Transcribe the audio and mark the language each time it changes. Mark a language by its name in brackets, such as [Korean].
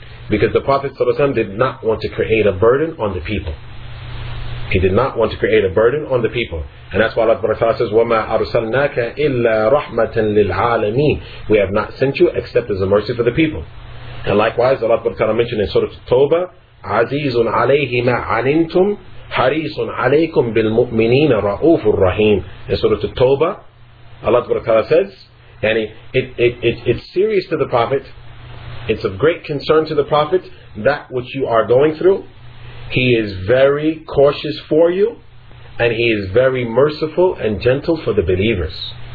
[English] Because the Prophet ﷺ did not want to create a burden on the people. He did not want to create a burden on the people. And that's why Allah says, [Arabic] وَمَا أَرْسَلْنَاكَ إِلَّا رَحْمَةً لِلْعَالَمِينَ. [English] We have not sent you except as a mercy for the people. And likewise, Allah mentioned in Surah Tawbah, [Arabic] عزيز عليه ما علمتم حريص عليكم بالمؤمنين رؤوف الرحيم. [English] In Surah At-Tawbah, Allah Subhanahu wa Taala says, "Yani it's serious to the Prophet. It's of great concern to the Prophet that which you are going through. He is very cautious for you, and he is very merciful and gentle for the believers.